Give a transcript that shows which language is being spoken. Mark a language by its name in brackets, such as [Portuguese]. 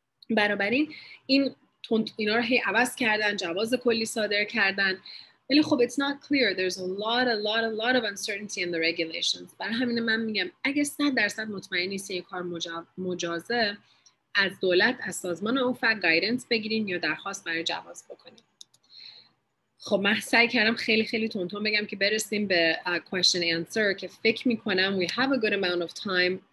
[Persian] بنابراین اینا رو هی عوض کردن، جواز کلی صادر کردن. ولی خب [English] it's not clear. There's a lot of uncertainty in the regulations. [Persian] برای همین من میگم اگه 100% مطمئن نیستی یک کار مجازه، از دولت، از سازمان OFAC guidance بگیرین یا درخواست برای جواز بکنین. خب من سعی کردم خیلی خیلی تونتون بگم که برسیم به question answer، که فکر میکنم [English] we have a good amount of time.